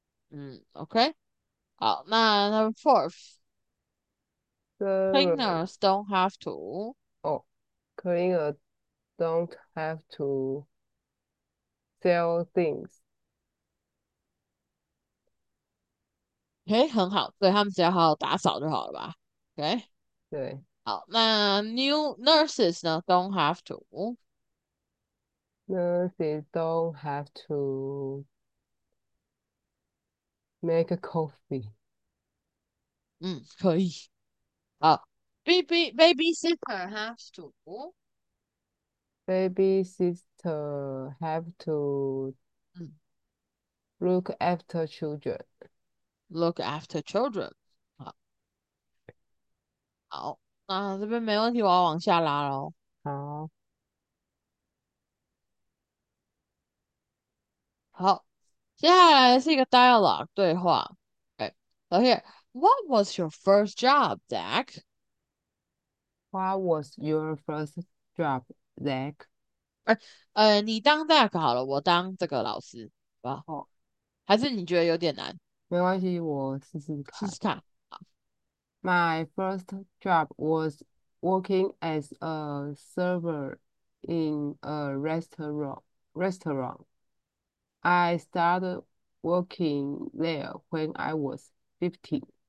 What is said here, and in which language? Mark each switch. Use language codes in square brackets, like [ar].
[zh] 嗯，OK，好，那 number [en] Server. fourth，cleaners don't have to， Cleaner don't have to sell things. [zh] 诶，很好，对，他们只要好好打扫就好了吧？OK，对。好，那 new nurses 呢？ don't have to。 [en] Nurses don't have to make a coffee. [zh] 嗯，可以。好，babysitter has to。 [en] Baby sister have to look after children. Look after children。 [zh] 好，那这边没问题，我要往下拉喽。好。好，接下来是一个 dialogue 对话。 OK，而且。 [en] What was your first job, Zach? What was your first job, Zach? [zh] 你当 Zach 好了，我当这个老师，好吧？还是你觉得有点难？没关系，我试试试看。试看。 [en] My first job was working as a server in a restaurant. I started working there when I was 15.